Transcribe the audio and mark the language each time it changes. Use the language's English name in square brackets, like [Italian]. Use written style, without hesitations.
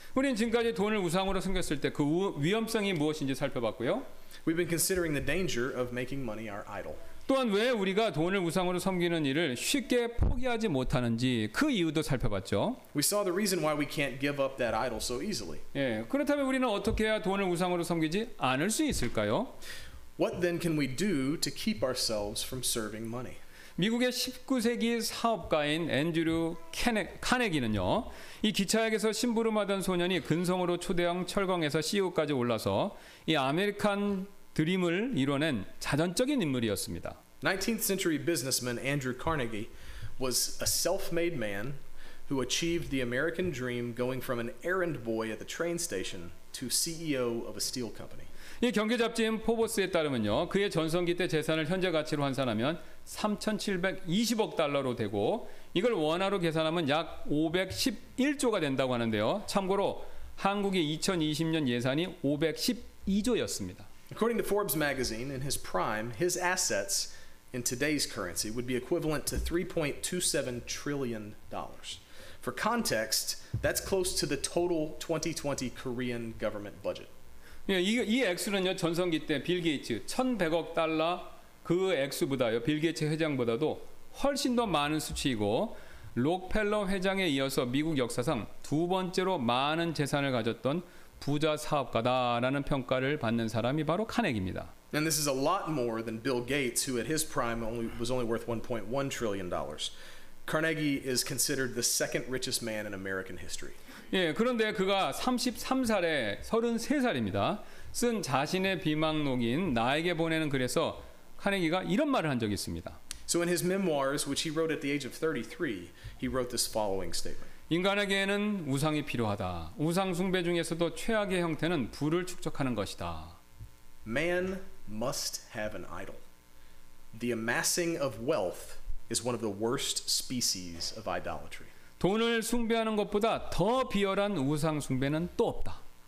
[Korean] 우리는 지금까지 돈을 우상으로 섬겼을 때 그 위험성이 무엇인지 살펴봤고요. [English] We've been considering the danger of making money our idol. [Korean] 또한 왜 우리가 돈을 우상으로 섬기는 일을 쉽게 포기하지 못하는지 그 이유도 살펴봤죠. [English] We saw the reason why we can't give up that idol so easily. [Korean] 예, 그렇다면 우리는 어떻게 해야 돈을 우상으로 섬기지 않을 수 있을까요? [English] What then can we do to keep ourselves from serving money? [Korean] 미국의 19세기 사업가인 앤드류 카네기는요. 이 기차역에서 심부름하던 소년이 근성으로 초대형 철강에서 CEO까지 올라서 이 아메리칸 드림을 이뤄낸 자전적인 인물이었습니다. [English] 19th century businessman Andrew Carnegie was a self-made man who achieved the American dream going from an errand boy at the train station to CEO of a steel company. [Korean] 이 경제 잡지인 포브스에 따르면요. 그의 전성기 때 재산을 현재 가치로 환산하면 3,720억 달러로 되고 이걸 원화로 계산하면 약 511조가 된다고 하는데요. 참고로 한국의 2020년 예산이 512조였습니다. [English] According to Forbes magazine, in his prime, his assets in today's currency would be equivalent to $3.27 trillion. For context, that's close to the total 2020 Korean government budget. [Korean] 예, 이 액수는요, 전성기 때 빌 게이츠 1,100억 달러 그 액수보다요, 빌 게이츠 회장보다도 훨씬 더 많은 수치이고 록펠러 회장에 이어서 미국 역사상 두 번째로 많은 재산을 가졌던 부자 사업가다라는 평가를 받는 사람이 바로 카네기입니다. [English] And this is a lot more than Bill Gates, who at his prime was only worth $1.1 trillion. Carnegie is considered the second richest man in American history. [Korean] 예, 그런데 그가 33살에 33살입니다. 쓴 자신의 비망록인 나에게 보내는 글에서 카네기가 이런 말을 한 적이 있습니다. [English] So in his memoirs, which he wrote at the age of 33, he wrote this following statement. [Korean] 인간에게는 우상이 필요하다. 우상 숭배 중에서도 최악의 형태는 불을 축적하는 것이다. [English] Man must have an idol. The amassing of wealth is one of the worst species of idolatry. [Korean] 돈을 숭배하는 것보다 더 비열한 우상 숭배는 또 없다.